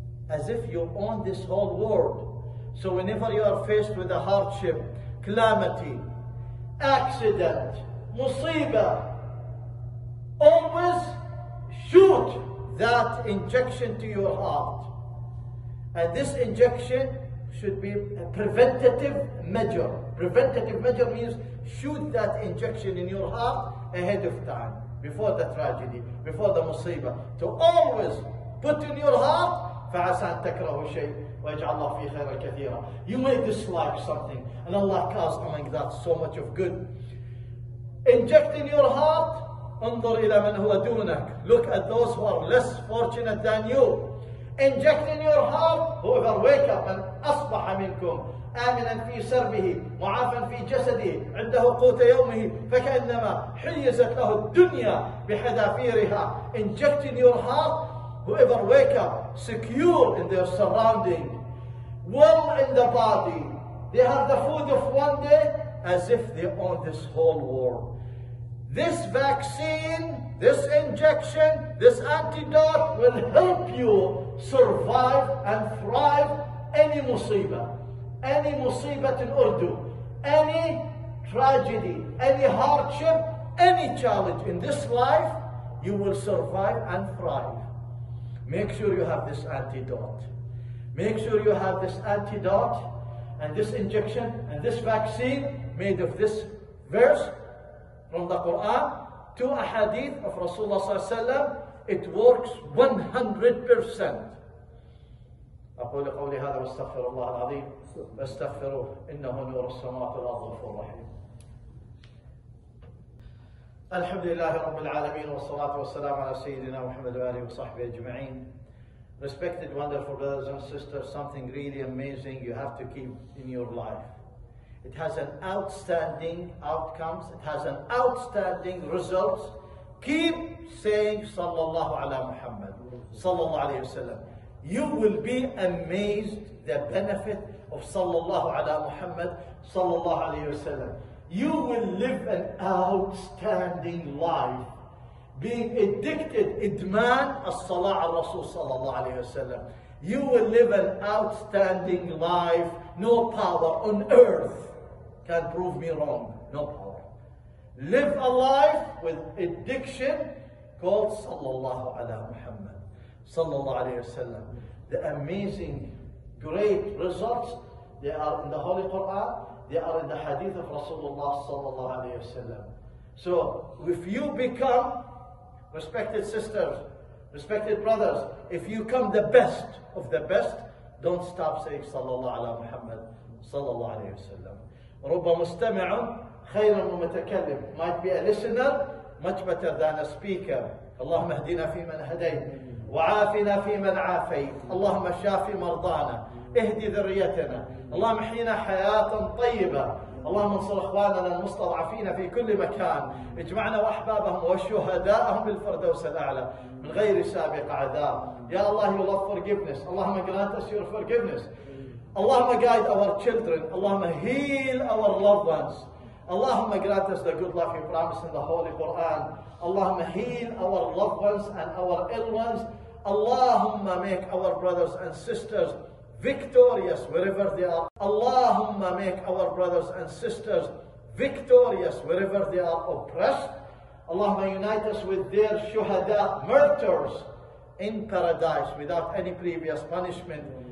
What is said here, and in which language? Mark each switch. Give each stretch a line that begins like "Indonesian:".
English: As if you own this whole world. So whenever you are faced with a hardship, calamity, accident, musiba, always shoot that injection to your heart. And this injection should be a preventative measure. Preventative measure means shoot that injection in your heart ahead of time, before the tragedy, before the musiba, to always put in your heart.
Arabic: فعسى أن تكرهوا شيء ويجعل الله فيه خيرا كثيرا.
English: You may dislike something and Allah caused among that so much of good. Inject in your heart,
Arabic: انظر إلى من هو دونك.
English: Look at those who are less fortunate than you. Inject in your heart, whoever wake up and
Arabic: أصبح منكم آمنا في سربه معافا في جسده عنده قوت يومه فكأنما حيزت له الدنيا بحذافيرها.
English: Inject in your heart, whoever wake up secure in their surrounding, well in the body, they have the food of one day, as if they own this whole world. This vaccine, this injection, this antidote will help you survive and thrive any musibah in Urdu, any tragedy, any hardship, any challenge in this life, you will survive and thrive. Make sure you have this antidote. Make sure you have this antidote and this injection and this vaccine made of this verse from the Quran, two ahadith of Rasulullah
Arabic: صلى الله عليه وسلم.
English: It works 100%.
Arabic: أقول قولي هذا واستغفر الله العظيم واستغفره إنه نور السماوات والأرض غفور رحيم. الحمد لله رب العالمين والصلاة والسلام على سيدنا محمد وآله وصحبه أجمعين.
English: Respected wonderful brothers and sisters, something really amazing you have to keep in your life. It has an outstanding outcomes. It has an outstanding results. Keep saying
Arabic: صلى الله على محمد صلى الله عليه وسلم.
English: You will be amazed the benefit of
Arabic: صلى الله على محمد صلى الله عليه وسلم.
English: You will live an outstanding life being addicted
Arabic: إدمان الصلاة على الرسول صلى الله عليه وسلم.
English: You will live an outstanding life. No power on earth can prove me wrong. No power. Live a life with addiction called
Arabic: صلى الله على محمد صلى الله عليه وسلم.
English: The amazing great results, they are in the Holy Quran, they are in the hadith of Rasulullah
Arabic: صلى الله عليه وسلم.
English: So if you become, respected sisters, respected brothers, if you come the best of the best, don't stop saying
Arabic: صلى الله على محمد صلى الله عليه وسلم. رب مستمع خير ومتكلم,
English: might be a listener much better than a speaker.
Arabic: اللهم اهدنا فيمن هديت, وعافنا فيمن عافيت, اللهم شافي مرضانا, اهدي ذريتنا, اللهم احينا حياة طيبة, اللهم انصر اخواننا المستضعفين في كل مكان, اجمعنا واحبابهم وشهداءهم بالفردوس الاعلى من غير سابق عذاب. يا الله
English: you love forgiveness, اللهم grant us your forgiveness, اللهم guide our children, اللهم heal our loved ones, اللهم grant us the good life you promised in the Holy Quran, اللهم heal our loved ones and our ill ones, اللهم make our brothers and sisters victorious wherever they are, اللهم make our brothers and sisters victorious wherever they are oppressed, اللهم unite us with their شهداء martyrs in paradise without any previous punishment.